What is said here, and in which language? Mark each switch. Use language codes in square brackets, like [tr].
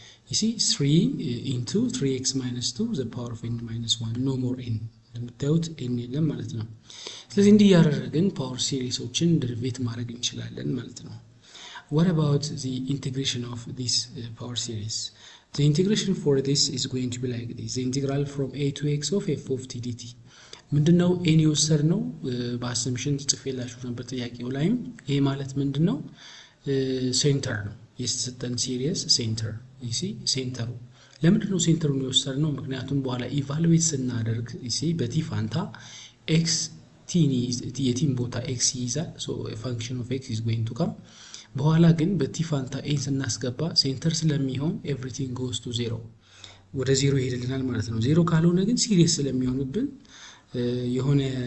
[en] ዩ ሲ 3 ኢንቱ 3 ኤክስ ማይነስ 2 ዘ ፓወር ኦፍ ኤን ማይነስ 1 ኖ ሞር ኤን። [am] እንደምታዩት ኤን የለም ማለት ነው። ስለዚህ እንዲህ እያደረግን ፓወር ሲሪሶችን ድርቤት ማድረግ እንችላለን ማለት ነው። [en] ዋት አባውት ዚ ኢንቴግሬሽን ኦፍ ዲስ ፓወር ሲሪስ? The integration for this is going to be like this. The integral from a to x of f of t dt. [am] ምንድነው n ዩሰር ነው በአሰምሽን ጽፌላችሁ ነበር ጥያቄው ላይም። ይሄ ማለት ምንድነው ሴንተር ነው የተሰጠን ሲሪየስ ሴንተር ዩ ሲ ሴንተሩ። ለምንድነው ሴንተሩ ዩሰር ነው? ምክንያቱም በኋላ ኢቫሉዌት ስናደርግ ዩ ሲ በቲ ፋንታ x t የቲን ቦታ x ይይዛል። [en] so a function of x is going to come [am] በኋላ ግን በቲ ፋንታ ኤን ስናስገባ ሴንተር ስለሚሆን [en] ኤቭሪቲንግ ጎስ ቱ ዜሮ፣ [am] ወደ ዜሮ ይሄድልናል ማለት ነው። ዜሮ ካልሆነ ግን ሲሪየስ ስለሚሆንብን የሆነ